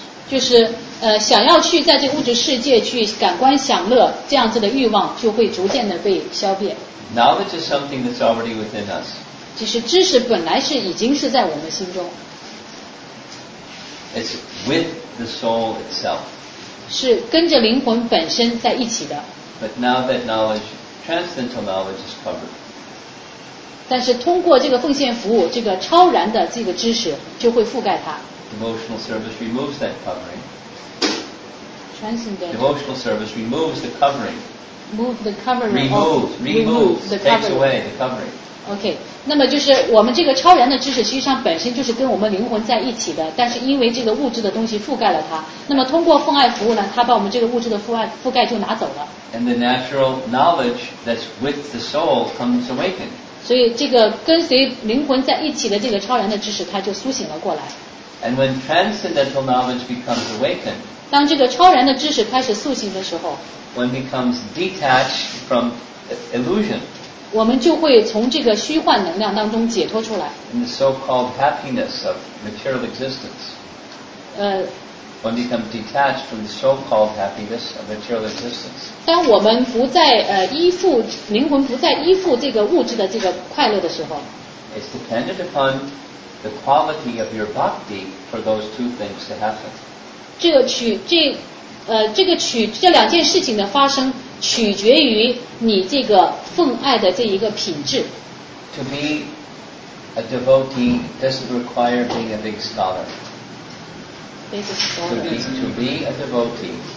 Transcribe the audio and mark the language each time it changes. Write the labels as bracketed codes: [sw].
[zh] 就是想要去在这物质世界去感官享乐这样子的欲望就会逐渐的被消灭。 [en] Knowledge is something that's already within us. [zh] 就是知识本来是已经是在我们心中。 [en] It's with the soul itself. [zh] 是跟着灵魂本身在一起的。 [en] But now that knowledge, transcendental knowledge is covered. [zh] 但是通过这个奉献服务，这个超然的这个知识就会覆盖它。 [en] Devotional service removes that covering. Transcendental. Devotional service removes the covering. Move the covering. Removes, takes away the covering. [zh] Okay, 那么就是我们这个超然的知识，实际上本身就是跟我们灵魂在一起的。但是因为这个物质的东西覆盖了它，那么通过奉爱服务呢，它把我们这个物质的覆盖就拿走了。 [en] And the natural knowledge that's with the soul comes awakened. [zh] 所以这个跟随灵魂在一起的这个超然的知识，它就苏醒了过来。 [en] And when transcendental knowledge becomes awakened, [zh] 当这个超然的知识开始苏醒的时候， [en] one becomes detached from illusion. [zh] 我们就会从这个虚幻能量当中解脱出来。 [en] In the so-called happiness of material existence. One becomes detached from the so-called happiness of material existence. [zh] 当我们不再依附灵魂，不再依附这个物质的这个快乐的时候， [en] it's dependent upon the quality of your bhakti for those two things to happen. [zh] 这两件事情的发生取决于你这个奉爱的这一个品质。 [en] To be a devotee doesn't require being a big scholar. To be a devotee,